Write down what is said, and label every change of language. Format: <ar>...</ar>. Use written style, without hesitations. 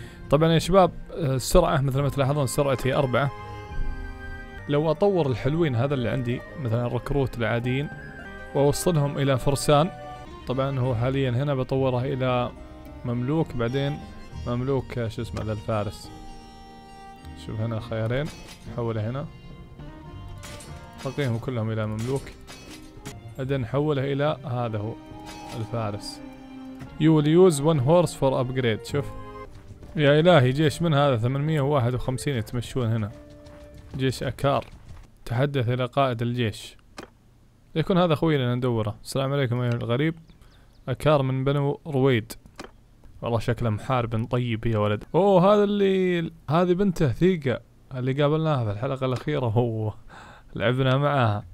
<ar>طبعا يا شباب السرعة مثل ما تلاحظون سرعتي 4، لو اطور الحلوين هذا اللي عندي مثلا الركروت العاديين واوصلهم الى فرسان، طبعا هو حاليا هنا بطوره الى مملوك، بعدين مملوك شو اسمه ذا الفارس. شوف هنا خيارين، حوله هنا، بقيهم كلهم الى مملوك، بعدين حوله الى هذا هو الفارس.</ar> <en>You will use one horse for upgrade.</en> <ar>شوف يا الهي جيش من هذا، 851 يتمشون هنا، جيش اكار. تحدث الى قائد الجيش، يكون هذا اخوي اللي ندوره. السلام عليكم ايها الغريب، اكار من بنو رويد. والله شكله محارب طيب يا ولد. اوه هذا اللي، هذه بنته ثيقة اللي قابلناها في الحلقة الأخيرة، هو لعبنا معاها.</ar>